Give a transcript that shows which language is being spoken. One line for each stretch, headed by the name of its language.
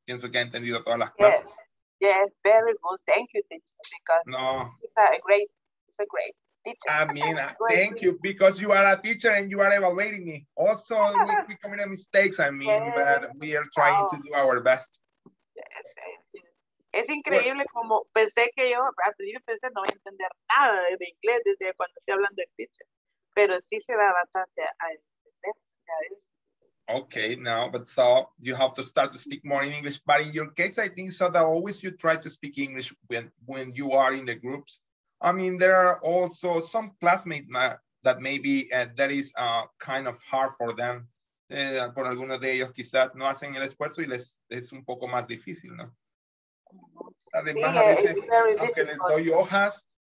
Spanish: Pienso que ha entendido todas las clases.
English: Yes, very good. Thank you, teacher. Because no. It's a great. Teacher. I mean, thank you, because you are a teacher and you are evaluating me. Also, we committed mistakes, I mean, yes. But we are trying to do our best.
Spanish: Es increíble como pensé que yo, al principio pensé no voy a entender nada de inglés desde cuando estoy hablando del teacher. Pero sí se da bastante a entender.
English: Okay, now, but so you have to start to speak more in English. But in your case, I think so that always you try to speak English when you are in the groups. I mean, there are also some classmates that maybe that is kind of hard for them.
Spanish: Por algunos de ellos quizás no hacen el esfuerzo y les es un poco más difícil, ¿no? Además, sí, a veces, aunque les doy hojas.